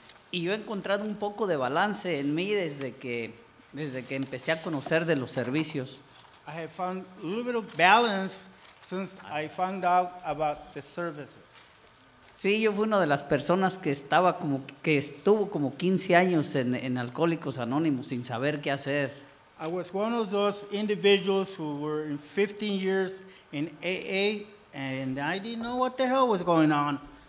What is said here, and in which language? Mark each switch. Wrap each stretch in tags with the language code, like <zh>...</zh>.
<es>Y yo he encontrado un poco de balance en mí desde que empecé a conocer de los servicios.</es> <en>I have found a little bit of balance since I found out about the services.</en> <es>Sí, yo fui una de las personas que estuvo como 15 años en Alcohólicos Anónimos sin saber qué hacer.</es> <en>I was one of those individuals who were in 15 years in AA and I didn't know what the hell was going on.</en>